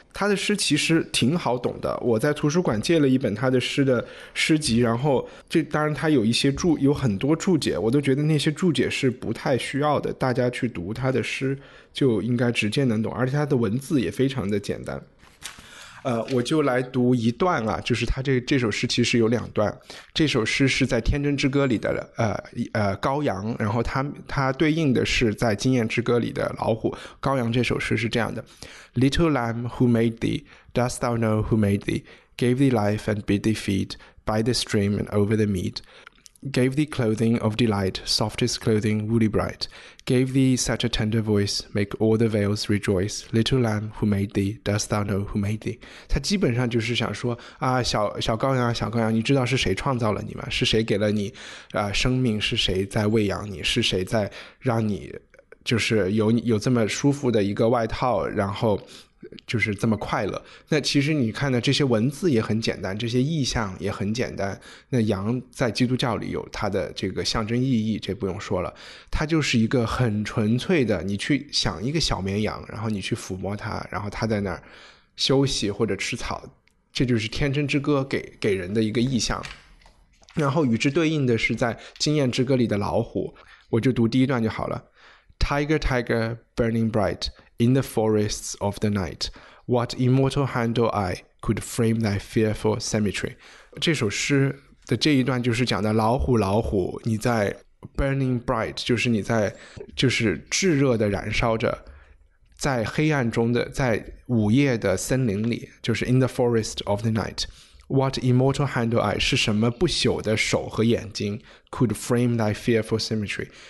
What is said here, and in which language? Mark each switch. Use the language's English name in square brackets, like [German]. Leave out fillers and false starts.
[Chinese] 他的诗其实挺好懂的，我在图书馆借了一本他的诗的诗集，然后这当然他有一些注，有很多注解，我都觉得那些注解是不太需要的，大家去读他的诗就应该直接能懂，而且他的文字也非常的简单。我就来读一段啊，就是他 这首诗其实有两段，这首诗是在《天真之歌》里的羔羊，然后 他对应的是在《经验之歌》里的老虎。羔羊这首诗是这样的 ： [English] Little lamb, who made thee? Dost thou know who made thee? Gave thee life and bid thee feed by the stream and over the mead. Gave thee clothing of delight, softest clothing, woolly bright. Gave thee such a tender voice, make all the vales rejoice. Little lamb, who made thee? Dost thou know who made thee? [Chinese] 他基本上就是想说啊，小羔羊，你知道是谁创造了你吗？是谁给了你啊、生命？是谁在喂养你？是谁在让你就是有这么舒服的一个外套，然后就是这么快乐？那其实你看的这些文字也很简单，这些意象也很简单，那羊在基督教里有它的这个象征意义，这不用说了，它就是一个很纯粹的，你去想一个小绵羊，然后你去抚摸它，然后它在那儿休息或者吃草，这就是天真之歌给人的一个意象。然后与之对应的是在经验之歌里的老虎，我就读第一段就好了。 [English] Tiger, tiger, burning brightIn the forests of the night, what immortal hand or eye could frame thy fearful symmetry? [Chinese] 这首诗的这一段就是讲的老虎，老虎，你在 [English] burning bright, [Chinese] 就是你在就是炙热的燃烧着，在黑暗中的，在午夜的森林里，就是 [English] in the forest of the night, what immortal hand or eye [Chinese] 是什么不朽的手和眼睛 [English] could frame thy fearful symmetry?